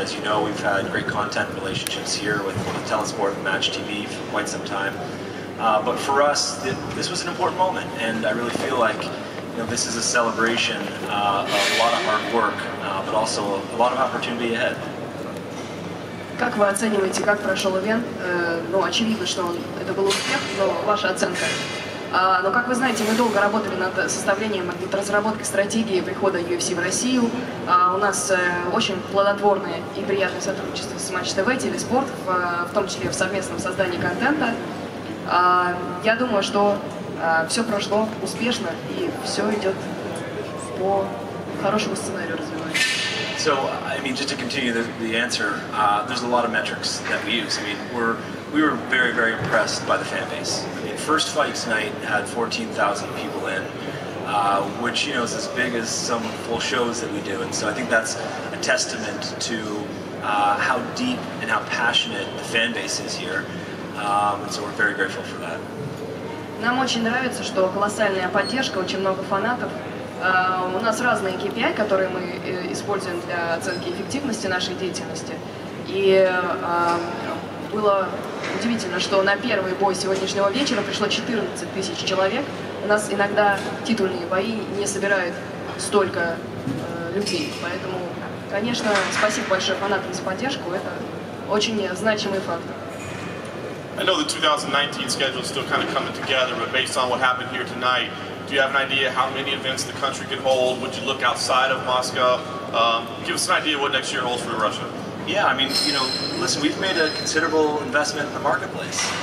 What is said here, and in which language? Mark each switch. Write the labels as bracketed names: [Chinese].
[English] As you know, we've had great content relationships here with Telesport and Match TV for quite some time. But for us, this was an important moment, and I really feel like, you know, this is a celebration of a lot of hard work, but also a lot of opportunity ahead. [Russian] Как вы оцениваете, как прошел ивент? Ну, очевидно, что это был успех, но ваша оценка. Но как вы знаете, мы долго работали над составлением, над разработкой стратегии прихода UFC в Россию. У нас очень плодотворное и приятное сотрудничество с Match TV, Телеспорт, в том числе в совместном создании контента. Я думаю, что все прошло успешно и все идет по хорошему сценарию развивается. [English] So, I mean, just to continue the answer, there's a lot of metrics that we use. I mean, we were very, very impressed by the fan base. I mean, first fight tonight had 14,000 people in, which, you know, is as big as some full shows that we do. And so I think that's a testament to how deep and how passionate the fan base is here. So we're very grateful for that. [Russian] Нам очень нравится, что колоссальная поддержка, очень много фанатов. У нас разные KPI, которые мы используем для оценки эффективности нашей деятельности. И было удивительно, что на первый бой сегодняшнего вечера пришло 14 тысяч человек. У нас иногда титульные бои не собирают столько людей. Поэтому, конечно, спасибо большое фанатам за поддержку. Это очень значимый фактор. [English] I know the 2019 schedule is still kind of coming together, but based on what happened here tonight, do you have an idea how many events the country could hold? Would you look outside of Moscow? Give us an idea what next year holds for Russia. Yeah, I mean, you know, listen, we've made a considerable investment in the marketplace.